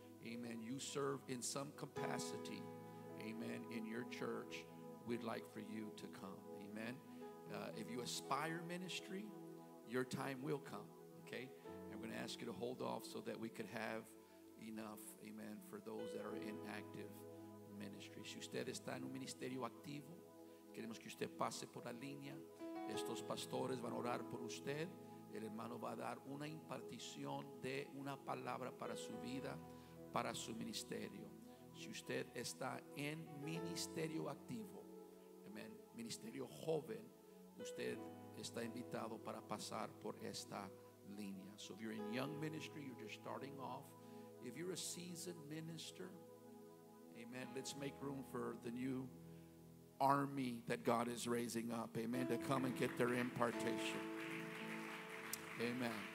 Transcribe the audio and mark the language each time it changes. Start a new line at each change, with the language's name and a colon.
English: Amen. You serve in some capacity. Amen. In your church. We'd like for you to come. Amen. If you aspire ministry, your time will come. Okay? I'm going to ask you to hold off so that we could have enough. Amen. For those that are in active ministry.
Spanish: Si usted está en un ministerio activo, queremos que usted pase por la línea. Estos pastores van a orar por usted. El hermano va a dar una impartición de una palabra para su vida, para su ministerio. Si usted está en ministerio activo, ministerio joven, usted está invitado para pasar por esta línea.
English: So if you're in young ministry, you're just starting off. If you're a seasoned minister, amen, let's make room for the new army that God is raising up, amen, to come and get their impartation. Amen.